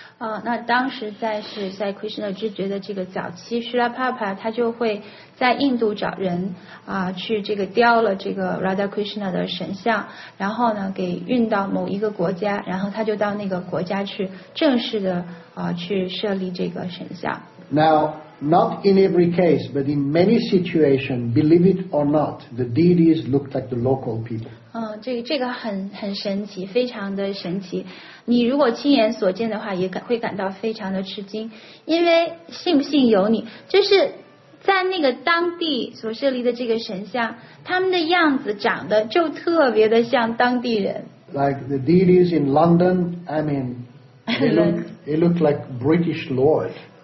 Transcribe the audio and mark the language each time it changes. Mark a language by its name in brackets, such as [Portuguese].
[Chinese] 那当时在 Krishna 知觉的这个早期， Srila Prabhupada 他就会在印度找人去这个雕了这个 Radha Krishna 的神像，然后呢给运到某一个国家，然后他就到那个国家去正式的去设立这个神像。 [English] Now, not in every case, but in many situations, believe it or not, the deities looked like the local people. [Chinese] 这个很神奇，非常的神奇。你如果亲眼所见的话，也会感到非常的吃惊。因为信不信由你，就是在那个当地所设立的这个神像，他们的样子长得就特别的像当地人。 [English] Like the deities in London, I mean, they look like British lords.